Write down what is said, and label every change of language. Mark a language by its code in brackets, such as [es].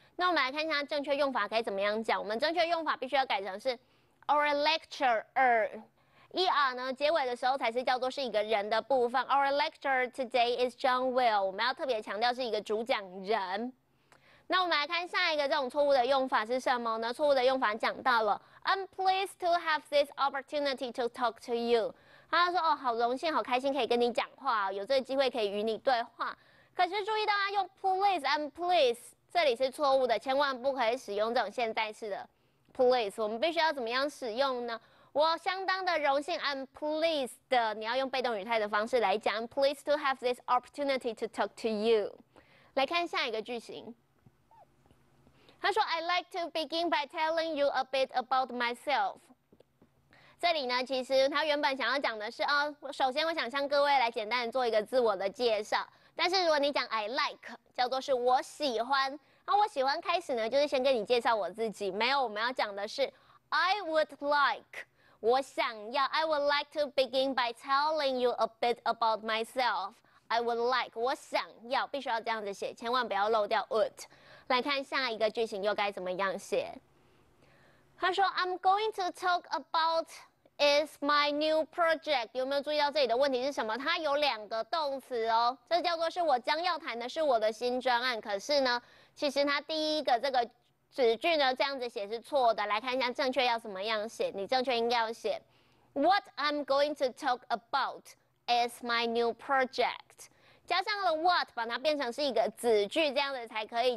[zh] 那我们来看一下正确用法该怎么样讲。我们正确用法必须要改成是 [en] Our lecturer。 [zh] ER 呢，结尾的时候才是叫做是一个人的部分。 [en] Our lecturer today is John Will， [zh] 我们要特别强调是一个主讲人。那我们来看下一个这种错误的用法是什么呢？错误的用法讲到了 [en] ，I'm pleased to have this opportunity to talk to you。 [zh] 他说哦，好荣幸，好开心可以跟你讲话，有这个机会可以与你对话。可是注意到他用 [en] please and please， [zh] 这里是错误的，千万不可以使用这种现在式的 please。我们必须要怎么样使用呢？我相当的荣幸 [en] ，I'm pleased。 [zh] 你要用被动语态的方式来讲 [en] ，I'm pleased to have this opportunity to talk to you。 [zh] 来看下一个句型。他说 [en] ，I'd like to begin by telling you a bit about myself。 [zh] 这里呢，其实他原本想要讲的是，哦，首先我想向各位来简单的做一个自我的介绍。但是如果你讲 [en] I like， [zh] 叫做是我喜欢。那我喜欢开始呢，就是先跟你介绍我自己。没有，我们要讲的是 [en] I would like。 [zh] 我想要 [en] I would like to begin by telling you a bit about myself. I would like [zh] 我想要必须要这样子写，千万不要漏掉 would。来看下一个句型又该怎么样写。他说 [en] I'm going to talk about is my new project。 [zh] 有没有注意到这里的问题是什么？它有两个动词哦，这叫做是我将要谈的是我的新专案。可是呢，其实它第一个这个子句呢，这样子写是错的。来看一下正确要怎么样写。你正确应该要写 [en] What I'm going to talk about is my new project， [zh] 加上了 [en] what， [zh] 把它变成是一个子句，这样子才可以。